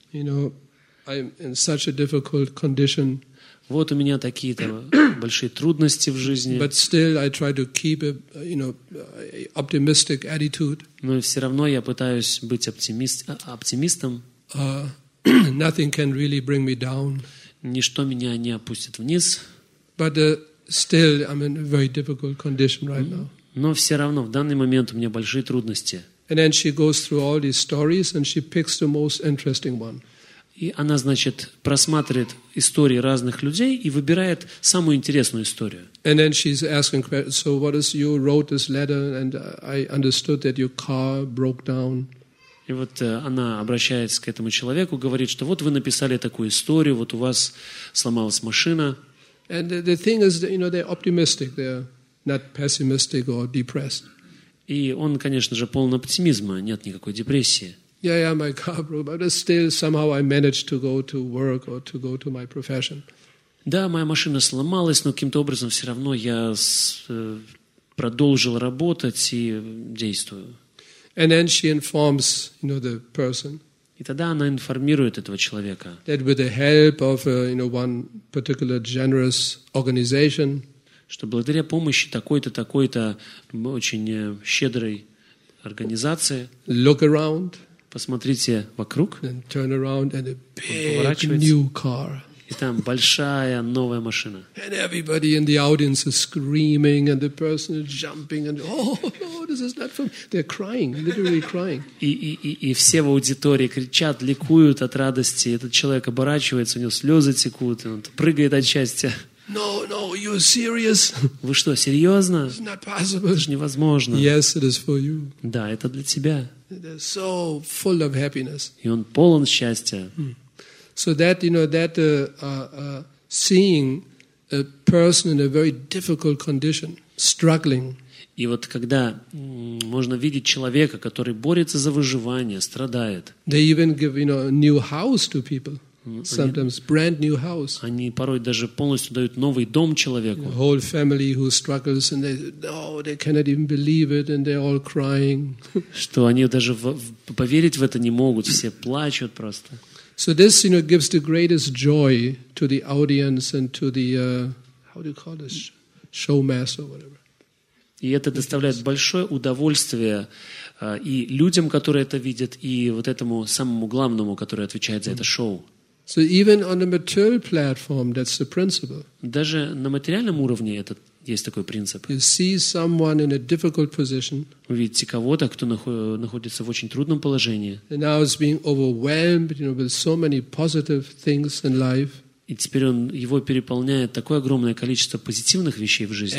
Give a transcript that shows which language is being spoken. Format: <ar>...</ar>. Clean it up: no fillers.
<en>You know, I'm in such a difficult condition.</en> <ru>Вот у меня такие-то большие трудности в жизни.</ru> <en>But still I try to keep a, you know, optimistic attitude.</en> <ru>Но все равно я пытаюсь быть оптимистом.</ru> <en>Nothing can really bring me down.</en> <ru>Ничто меня не опустит вниз.</ru> <en>But still I'm in a very difficult condition right now.</en> <ru>Но все равно в данный момент у меня большие трудности.</ru> <en>And then she goes through all these stories and she picks the most interesting one.</en> <ru>И она, значит, просматривает истории разных людей и выбирает самую интересную историю.</ru> <en>And then she's asking questions. So what is you wrote this letter and I understood that your car broke down.</en> <ru>И вот она обращается к этому человеку, говорит, что вот вы написали такую историю, вот у вас сломалась машина.</ru> <en>And the thing is, you know, they're optimistic, they're not pessimistic or depressed.</en> <ru>И он, конечно же, полон оптимизма, нет никакой депрессии.</ru> <en>Yeah, yeah, my car broke, but still somehow I managed to go to work or to go to my profession.</en> <ru>Да, моя машина сломалась, но каким-то образом все равно я продолжил работать и действую.</ru> <en>And then she informs, you know, the person.</en> <ru>И тогда она информирует этого человека.</ru> <en>That with the help of, you know, one particular generous organization.</en> <ru>Что благодаря помощи такой-то очень щедрой организации.</ru> <en>Look around.</en> <ru>Посмотрите вокруг.</ru> <en>And turn around and a big new car.</en> <ru>И там большая новая машина.</ru> <en>And everybody in the audience is screaming and the person is jumping and oh no, this is not for me. They're crying, literally crying.</en> <ru>И все в аудитории кричат, ликуют от радости. Этот человек оборачивается, у него слезы текут, и он прыгает от счастья.</ru> <en>No, no, you're serious?</en> <ru>Вы что, серьезно?</ru> <en>It's not possible.</en> <ru>Это же невозможно.</ru> <en>Yes, it is for you.</en> <ru>Да, это для тебя.</ru> <en>They're so full of happiness.</en> <ru>И он полон счастья.</ru> <en>So that, you know, that seeing a person in a very difficult condition, struggling.</en> <ru>И вот когда можно видеть человека, который борется за выживание, страдает.</ru> <en>They even give, you know, a new house to people. Sometimes brand new house.</en> <ru>Они порой даже полностью дают новый дом человеку.</ru> <en>A whole family who struggles and they no, oh, they cannot even believe it and they're all crying.</en> <ru>Что они даже поверить в это не могут, все плачут просто.</ru> <en>So this, you know, gives the greatest joy to the audience and to the how do you call this showmaster or whatever.</en> <ru>И это доставляет большое удовольствие и людям, которые это видят, и вот этому самому главному, который отвечает за это шоу.</ru> <en>So even on the material platform, that's the principle.</en> <ru>Даже на материальном уровне это есть такой принцип.</ru> <en>You see someone in a difficult position.</en> <ru>Вы видите кого-то, кто находится в очень трудном положении.</ru> <en>And now it's being overwhelmed, you know, with so many positive things in life.</en> <ru>И теперь он, его переполняет такое огромное количество позитивных вещей в жизни.</ru>